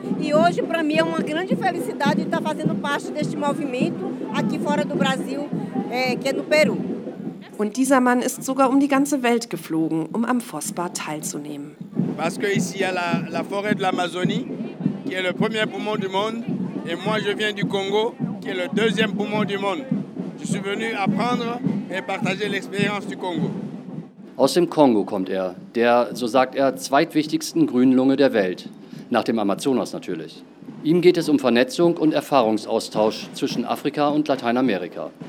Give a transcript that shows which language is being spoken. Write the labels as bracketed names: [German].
[Portuguese] E hoje, para mim, é uma grande felicidade estar fazendo parte deste movimento aqui fora do Brasil, que é no Peru. [German] Und dieser Mann ist sogar um die ganze Welt geflogen, um am FOSPA teilzunehmen. [French] Parce que ici il y a la forêt de l'Amazonie qui est le premier poumon du monde et moi je viens du Congo qui est le deuxième poumon du monde. Je suis venu apprendre et partager l'expérience du Congo. [German] Aus dem Kongo kommt er, der, so sagt er, zweitwichtigsten grünen Lunge der Welt, nach dem Amazonas natürlich. Ihm geht es um Vernetzung und Erfahrungsaustausch zwischen Afrika und Lateinamerika.